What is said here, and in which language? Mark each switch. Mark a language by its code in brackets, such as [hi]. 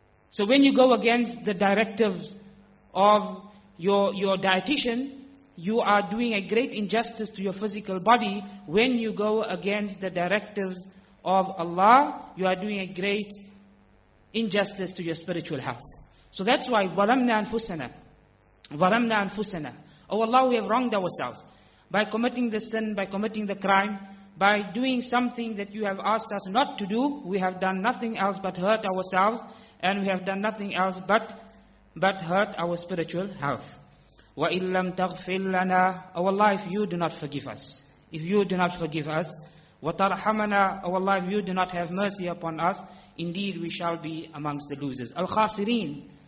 [en] So when you go against the directives of your dietitian, you are doing a great injustice to your physical body. When you go against the directives of Allah, you are doing a great injustice to your spiritual health. So that's why [ar] ظَلَمْنَا أَنفُسَنَا ظَلَمْنَا أَنفُسَنَا. [en] Oh Allah, we have wronged ourselves by committing the sin, by committing the crime, by doing something that you have asked us not to do. We have done nothing else but hurt ourselves, and we have done nothing else but hurt our spiritual health. [ar] وَإِن لَمْ تَغْفِرْ لَنَا, [en] oh Allah, if you do not forgive us, if you do not forgive us, [ar] وَتَرْحَمَنَا, [en] oh Allah, if you do not have mercy upon us, indeed we shall be amongst the losers. Al-Khasirin.